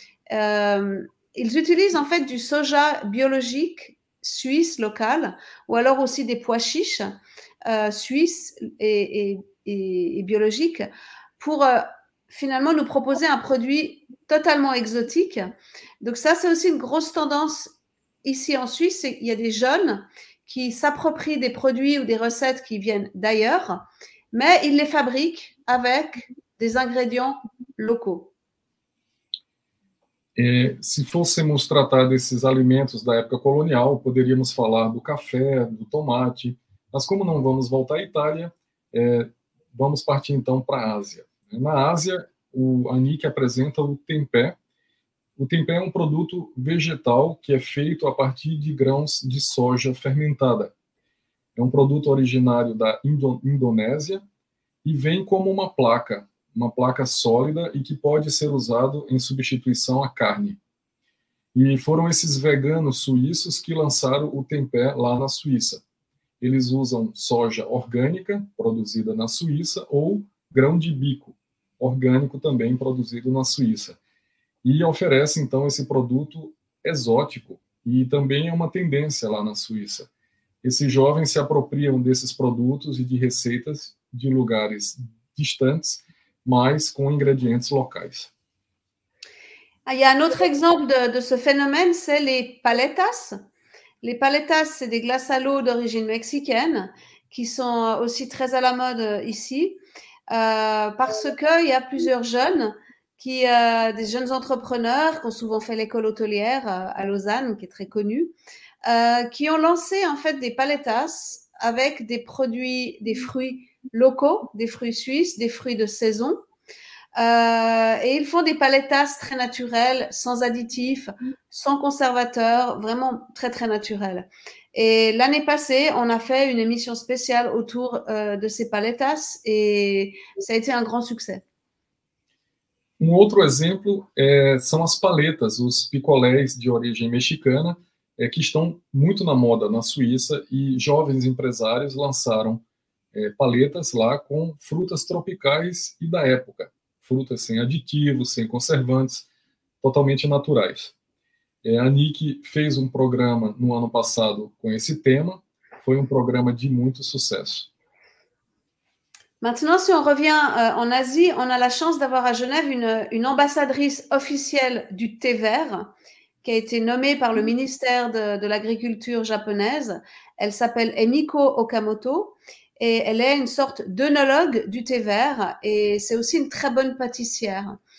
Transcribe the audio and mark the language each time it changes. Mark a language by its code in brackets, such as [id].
[fr] Ils utilisent en fait du soja biologique suisse local, ou alors aussi des pois chiches suisses et biologiques, pour finalement nous proposer un produit totalement exotique. Donc ça, c'est aussi une grosse tendance ici en Suisse. Il y a des jeunes qui s'approprient des produits ou des recettes qui viennent d'ailleurs, mais ils les fabriquent avec des ingrédients locaux. [pt] Et si fôssemos tratar desses alimentos da época colonial, poderíamos falar do café, do tomate, mas como não vamos voltar à Itália, vamos partir então para a Ásia. Na Ásia, o Anik apresenta o tempeh. O tempeh é um produto vegetal que é feito a partir de grãos de soja fermentada. É um produto originário da Indonésia e vem como uma placa sólida e que pode ser usado em substituição à carne. E foram esses veganos suíços que lançaram o tempeh lá na Suíça. Eles usam soja orgânica, produzida na Suíça, ou grão de bico, orgânico também produzido na Suíça, e oferece então esse produto exótico, e também é uma tendência lá na Suíça. Esses jovens se apropriam desses produtos e de receitas de lugares distantes, mas com ingredientes locais. [fr] Il y a un autre exemple de ce phénomène, c'est les paletas. Les paletas, c'est des glaces à l'eau d'origine mexicaine, qui sont aussi très à la mode ici. Parce qu'il y a plusieurs jeunes, des jeunes entrepreneurs qui ont souvent fait l'école hôtelière à Lausanne, qui est très connue, qui ont lancé en fait des paletas avec des produits, des fruits locaux, des fruits suisses, des fruits de saison. Et ils font des paletas très naturelles, sans additifs, sans conservateurs, vraiment très très naturelles. Et l'année passée, on a fait une émission spéciale autour de ces paletas et ça a été un grand succès. [pt] Um outro exemplo são as paletas, os picolés de origem mexicana, que estão muito na moda na Suíça, e jovens empresários lançaram paletas lá com frutas tropicais e da época. Frutas sem aditivos, sem conservantes, totalmente naturais. A Anik fez um programa no ano passado com esse tema, foi um programa de muito sucesso. [fr] Maintenant, si on revient en Asie, on a la chance d'avoir à Genève une ambassadrice officielle du thé vert, qui a été nommée par le ministère de l'agriculture japonaise. Elle s'appelle Emiko Okamoto. Et elle est une sorte d'œnologue du thé vert et c'est aussi une très bonne pâtissière.